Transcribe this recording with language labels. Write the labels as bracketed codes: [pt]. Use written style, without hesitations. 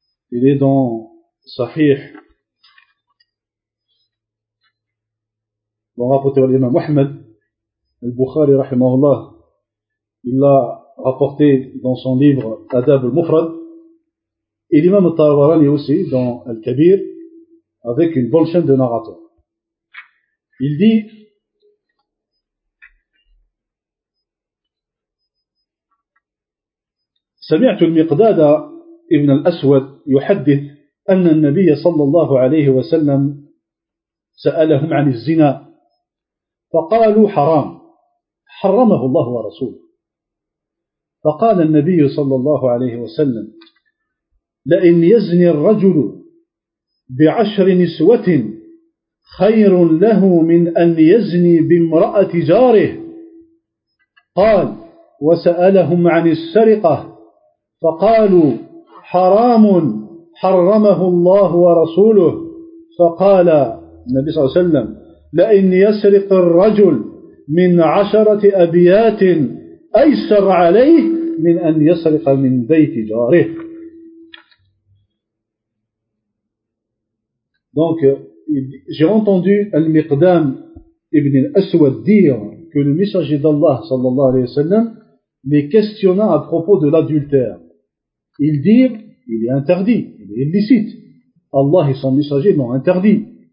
[fr] Il est dans Sahih, rapporté par l'imam Ahmed, al-Bukhari rahimahullah. Il l'a rapporté dans son livre Adab al-Mufrad. Et l'imam al-Tabarani aussi dans Al-Kabir, avec une bonne chaîne de narrateurs. Il dit, [ar] سمعت المقداد ابن الأسود يحدث أن النبي صلى الله عليه وسلم سألهم عن الزنا فقالوا حرام حرمه الله ورسوله فقال النبي صلى الله عليه وسلم لئن يزني الرجل بعشر نسوة خير له من أن يزني بامرأة جاره. قال وسألهم عن السرقة فقالوا حرام حرمه الله ورسوله. فقال النبي صلى الله عليه وسلم لئن يسرق الرجل من عشرة أبيات أيسر عليه من أن يسرق من بيت جاره. [fr] Donc, j'ai entendu Al-Miqdam ibn al-Aswad dire que le messager d'Allah, sallallahu alayhi wa sallam, les questionna à propos de l'adultère. Ils dirent, il est interdit, il est illicite. Allah et son messager l'ont interdit.